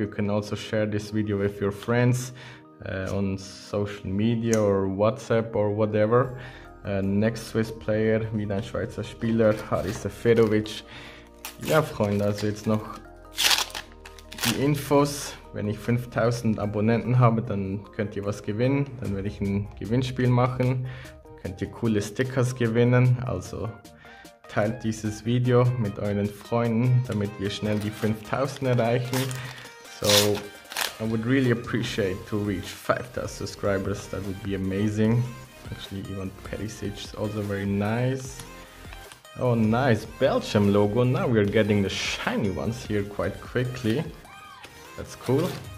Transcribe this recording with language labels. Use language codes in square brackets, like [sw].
[en] You can also share this video with your friends on social media or WhatsApp or whatever. Next Swiss player, [de] wieder ein Schweizer Spieler, [en] Haris Seferovic. [de] Ja, Freunde, also jetzt noch die Infos. Wenn ich 5000 Abonnenten habe, dann könnt ihr was gewinnen. Dann werde ich ein Gewinnspiel machen. könnt ihr coole Stickers gewinnen. Also teilt dieses Video mit euren Freunden, damit wir schnell die 5000 erreichen. [en] So, I would really appreciate to reach 5000 subscribers. That would be amazing. Actually, even Perisic is also very nice. Oh, nice Belgium logo. Now we are getting the shiny ones here quite quickly. That's cool.